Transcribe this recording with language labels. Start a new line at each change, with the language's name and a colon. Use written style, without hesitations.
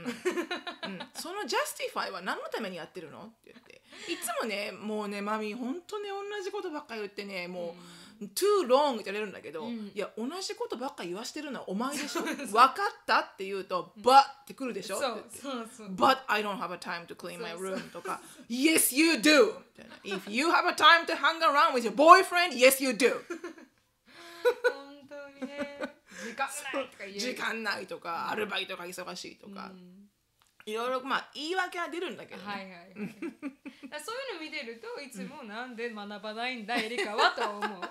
Japanese: うんうん、その justify は何のためにやってるのって言っていつもね、もうねマミ本当ね同じことばっかり言ってね、もう、うん、
English: too long
Japanese: って言われるんだけど、うん、いや同じことばっか言わしてるのはお前でしょ、分かったって言うと but ってくるでしょ、そうそうそう、
English: but I don't have a time to clean my room
Japanese: とか、そうそうそう、
English: yes you do if you have a time to hang around with your boyfriend yes you do
Japanese: 本当にね、時間ないとか言う、時間ないとか、うん、アルバイトが忙しいとか、うん、いろいろまあ言い訳は出るんだけど、ね、はいはいはい、そういうの見てるといつもなんで学ばないんだ、うん、エリカはと思う。